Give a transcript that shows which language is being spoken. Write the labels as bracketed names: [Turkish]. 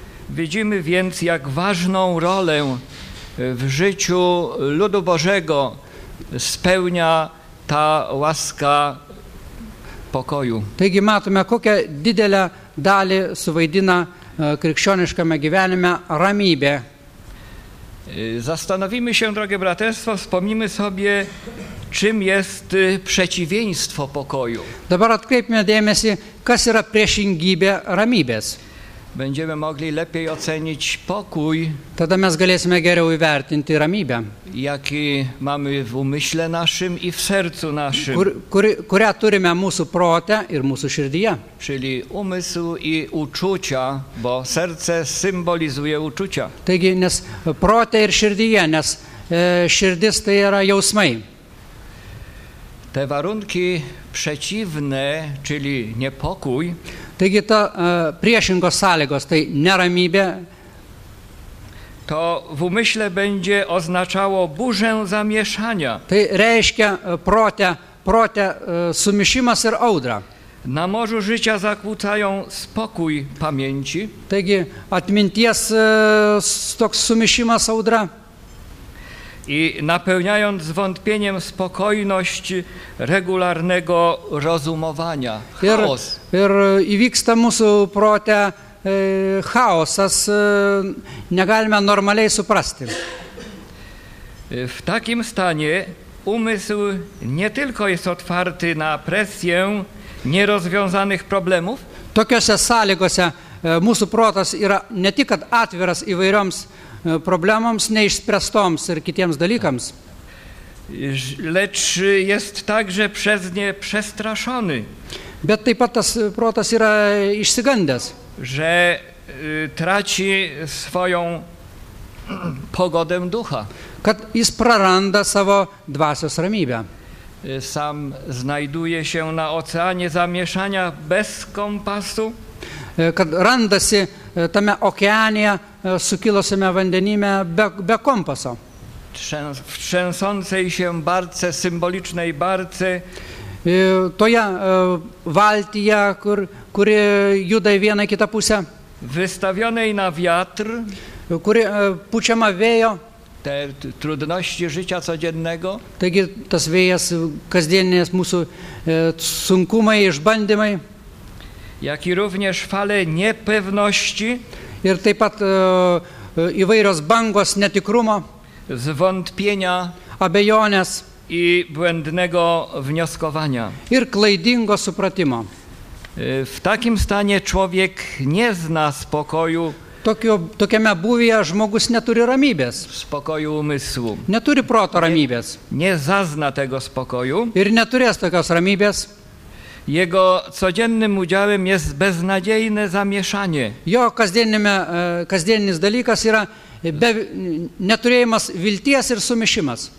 [Polish] Widzimy więc, jak ważną rolę w życiu ludu Bożego spełnia ta łaska pokoju. [Lithuanian] Taigi matome, kokią didelę dalį suvaidina krikščioniškame gyvenime ramybė. [Polish] Zastanowimy się, drogie braterstwo, wspomnimy sobie, czym jest przeciwieństwo pokoju. [Lithuanian] Dabar atkreipime dėmesį, kas yra priešingybė ramybės. [Polish] Będziemy mogli lepiej ocenić pokój. [Lithuanian] Tada mes galėsime geriau įvertinti ramybę. [Polish] Jaki mamy w umyśle naszym i w sercu naszym. [Lithuanian] Kurią turime mūsų protę ir mūsų širdyje. [Polish] Czyli umysł i uczucia, bo serce symbolizuje uczucia. [Lithuanian] Taigi, nes protę ir širdyje, nes širdis tai yra jausmai. [Polish] Te warunki przeciwne, czyli niepokój. [Lithuanian] Taigi ta priešingos sąlygos, tai neramybė. [Polish] To w umyśle będzie oznaczało burzę zamieszania. [Lithuanian] Tai reiškia protę sumišimas ir audra. [Polish] Na morzu życia zakłócają spokój pamięci. [Lithuanian] Taigi atminties toks sumišimas audra. [Polish] I napełniając zwątpieniem spokojność regularnego rozumowania, chaos. [Lithuanian] Ir įvyksta mūsų protę chaosas, negalime normaliai suprasti. [Polish] W takim stanie umysł nie tylko jest otwarty na presję nierozwiązanych problemów. [Lithuanian] Tokiose sąlygose mūsų protas yra ne tik atviras įvairioms problemams, neišspręstoms ir kitiems dalykams. [Polish] Lecz jest także przez nie przestraszony. [Lithuanian] Bet taip pat tas protas yra išsigandęs. [Polish] Że traci swoją pogodę ducha. [Lithuanian] Kad jis praranda savo dvasios ramybę. [Polish] Sam znajduje się na oceanie zamieszania bez kompasu. [Lithuanian] Kad randasi tame okeanie sukilosime vandenime be kompaso. [Polish] W trzęsącej się barce, symbolicznej barce. [Lithuanian] Toje valtyje, kuri juda į vieną kitą pusę. [Polish] Wystawionej na wiatr. [Lithuanian] Kuri pučiama vėjo. [Polish] Te trudności życia codziennego. [Lithuanian] Taigi tas vėjas, kasdieninės mūsų sunkumai, išbandymai. [Polish] Jak i również fale niepewności. [Lithuanian] Ir taip pat įvairios bangos netikrumo. [Polish] Zwątpienia. [Lithuanian] Abejonės. [Polish] I błędnego wnioskowania. [Lithuanian] Ir klaidingo supratimo. [Polish] W takim stanie człowiek nie zna spokoju. [Lithuanian] Tokiame būvyje žmogus neturi ramybės. [Polish] Spokoju umysłu. [Lithuanian] Neturi proto ramybės. [Polish] Nie zazna tego spokoju. [Lithuanian] Ir neturės tokios ramybės. [Polish] Jego codziennym udziałem jest beznadziejne zamieszanie. [Lithuanian] Jo kasdienis dalykas yra Be neturėjimas vilties ir sumišimas.